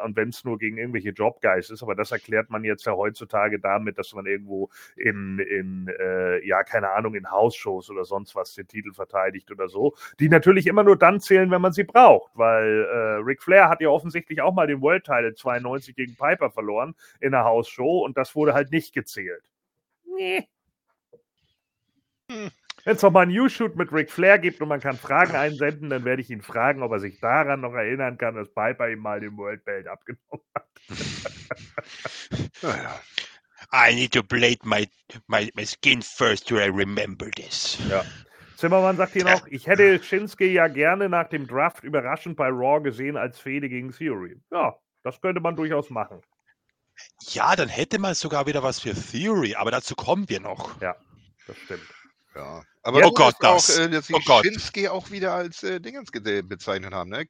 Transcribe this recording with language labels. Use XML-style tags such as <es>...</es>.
<de>Und wenn es nur gegen irgendwelche Jobguys ist, aber das erklärt man jetzt ja heutzutage damit, dass man irgendwo in House-Shows oder sonst was den Titel verteidigt oder so, die natürlich immer nur dann zählen, wenn man sie braucht, weil Ric Flair hat ja offensichtlich auch mal den World Title 92 gegen Piper verloren in einer House-Show und das wurde halt nicht gezählt. Nee. Wenn es nochmal einen News-Shoot mit Ric Flair gibt und man kann Fragen einsenden, dann werde ich ihn fragen, ob er sich daran noch erinnern kann, dass Piper ihm mal den World Belt abgenommen hat.</de> <en>I need to blade my skin first, till I remember this.</en> <de>Ja. Zimmermann sagt hier noch, ich hätte Shinsuke ja gerne nach dem Draft überraschend bei Raw gesehen als Fehde gegen Theory. Ja, das könnte man durchaus machen. Ja, dann hätte man sogar wieder was für Theory, aber dazu kommen wir noch. Ja, das stimmt. Ja, aber ja, gut, oh Gott, dass sie Shinsuke auch wieder als Dingens bezeichnet haben, ne?</de>